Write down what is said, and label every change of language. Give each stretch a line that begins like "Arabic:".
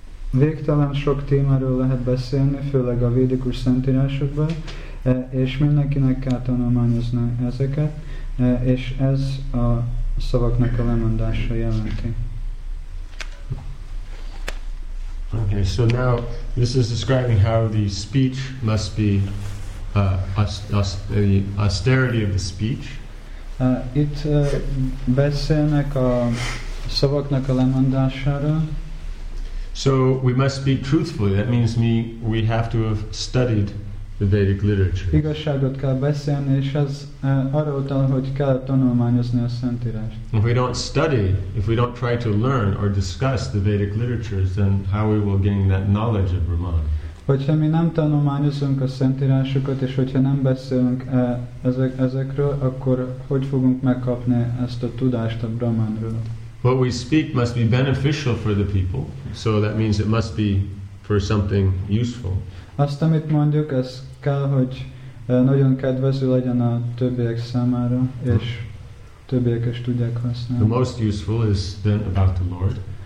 Hungarian: Végtelen sok témáról lehet beszélni, főleg a védikus szentírásokban, és mindenkinek kell tanulmányozni ezeket, és ez a szavaknak a lemondása jelenti.
English: Okay, so now this is describing how the speech must be the austerity of the speech.
Hungarian: Itt beszélnek a szavaknak a lemondására.
English: So we must speak truthfully. That means we have to have studied the Vedic literature.
Hungarian: Igazságot kell beszélni, és ez arra utal, hogy kell tanulmányozni a szentírást.
English: If we don't study, if we don't try to learn or discuss the Vedic literatures, then how we will gain that knowledge of Brahman?
Hungarian: Hogyha mi nem tanulmányozunk a szentírásokat, és hogyha nem beszélünk ezekről, akkor hogy fogunk megkapni ezt a tudást a Brahmanról?
English: What we speak must be beneficial for the people, so that means it must be for something useful.
Hungarian: Azt, amit mondjuk, ez kell, hogy nagyon kedvező legyen a többiek számára, és többiek is tudják használni.
English: The most useful is then about the Lord.